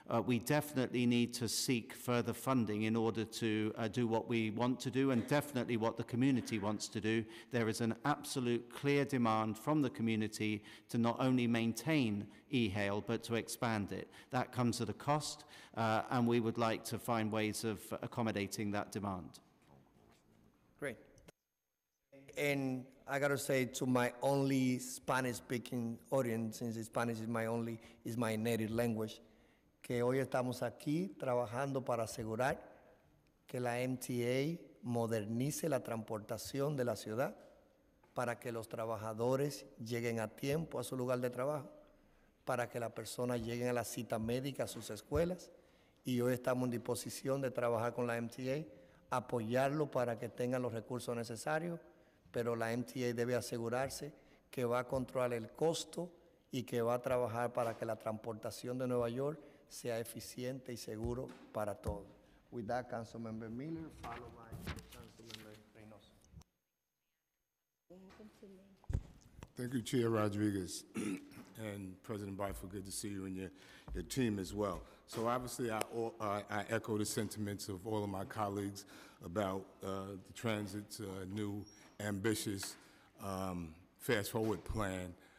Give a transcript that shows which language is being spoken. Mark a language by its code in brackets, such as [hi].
[en] We definitely need to seek further funding in order to do what we want to do, and definitely what the community wants to do. There is an absolute clear demand from the community to not only maintain e-hail, but to expand it. That comes at a cost, and we would like to find ways of accommodating that demand. Great. [es] And I gotta say to my only Spanish-speaking audience, since Spanish is my native language, que hoy estamos aquí trabajando para asegurar que la MTA modernice la transportación de la ciudad para que los trabajadores lleguen a tiempo a su lugar de trabajo, para que las personas lleguen a la cita médica a sus escuelas, y hoy estamos en disposición de trabajar con la MTA, apoyarlo para que tengan los recursos necesarios, pero la MTA debe asegurarse que va a controlar el costo y que va a trabajar para que la transportación de Nueva York sea eficiente y seguro para todos. [en] With that, Councilmember Miller, followed by Councilmember Reynoso. Thank you, Chair Rodriguez. and President Byford, good to see you and your team as well. So obviously, I echo the sentiments of all of my colleagues about the transit's new, ambitious, fast-forward plan.